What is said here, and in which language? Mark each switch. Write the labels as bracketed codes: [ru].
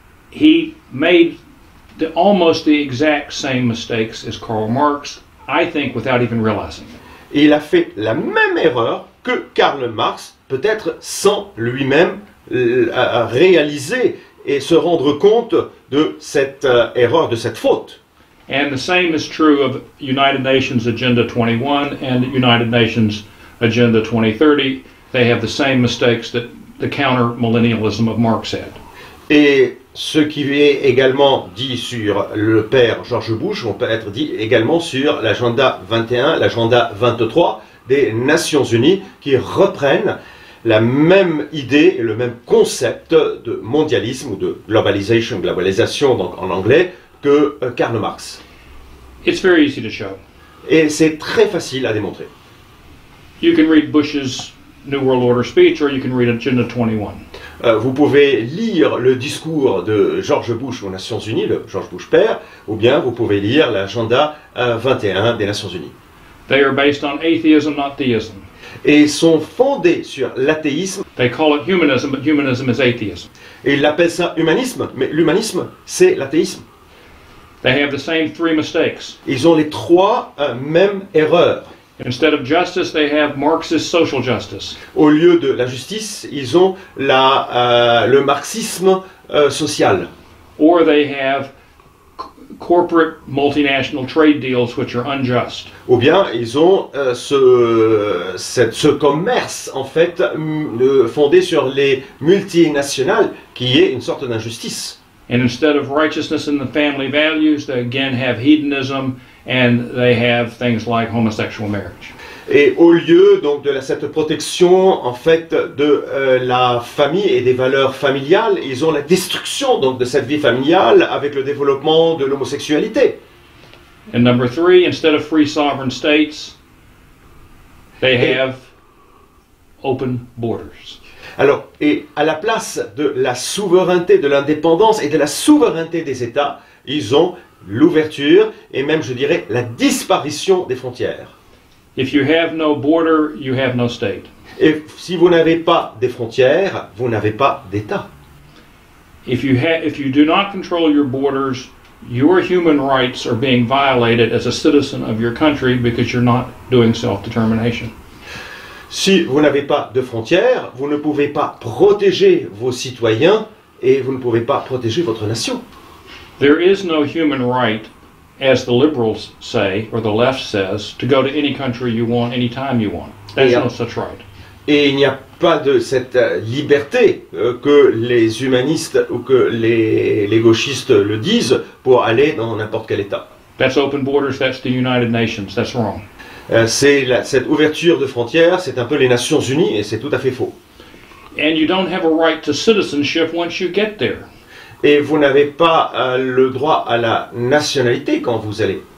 [en] he made almost the exact same mistakes as Karl Marx, I think, without even realizing it. [fr] Il a fait la même erreur que Karl Marx, peut-être sans lui-même réaliser et se rendre compte de cette erreur, de cette faute. [en] And the same is true of United Nations Agenda 21 and United Nations Agenda 2030. They have the same mistakes that the counter-millennialism of Marx had. [fr] Et Ce qui est également dit sur le père George Bush, on peut être dit également sur l'agenda 21, l'agenda 23 des Nations Unies qui reprennent la même idée et le même concept de mondialisme ou de globalization, globalisation donc en anglais, que Karl Marx. [en] It's very easy to show. [fr] Et c'est très facile à démontrer. [en] You can read Bush's New World Order speech or you can read Agenda 21. [fr] Vous pouvez lire le discours de George Bush aux Nations Unies, le George Bush père, ou bien vous pouvez lire l'agenda 21 des Nations Unies. [en] They are based on atheism, not theism. [fr] Et ils sont fondés sur l'athéisme. [en] They call it humanism, but humanism is atheism. [fr] Et ils appellent ça humanisme, mais l'humanisme, c'est l'athéisme. [en] They have the same three mistakes. [fr] Ils ont les trois mêmes erreurs. [en] Instead of justice, they have Marxist social justice. [fr] Au lieu de la justice, ils ont la, le marxisme social. [en] Or they have corporate multinational trade deals which are unjust. [fr] Ou bien ils ont ce commerce en fait fondé sur les multinationales qui est une sorte d'injustice. [en] And instead of righteousness in the family values, they again have hedonism. And they have things like homosexual marriage. [fr] Et au lieu donc de cette protection en fait de la famille et des valeurs familiales, ils ont la destruction donc de cette vie familiale avec le développement de l'homosexualité. [en] And number three, instead of free sovereign states, they have open borders. [fr] Alors, et à la place de la souveraineté, de l'indépendance et de la souveraineté des États, ils ont l'ouverture et même, je dirais, la disparition des frontières. [en] If you have no border, you have no state. [fr] Et si vous n'avez pas des frontières, vous n'avez pas d'État. [en] If you do not control your borders, your human rights are being violated as a citizen of your country because you're not doing self-determination. [fr] Si vous n'avez pas de frontières, vous ne pouvez pas protéger vos citoyens et vous ne pouvez pas protéger votre nation. [en] There is no human right, as the liberals say, or the left says, to go to any country you want, any time you want. There's no such right. [fr] Et il n'y a pas de cette liberté que les humanistes ou que les gauchistes le disent pour aller dans n'importe quel état. [en] That's open borders, that's the United Nations, that's wrong. [fr] C'est cette ouverture de frontières, c'est un peu les Nations Unies et c'est tout à fait faux. [en] And you don't have a right to citizenship once you get there. [fr] Et vous n'avez pas le droit à la nationalité quand vous allez.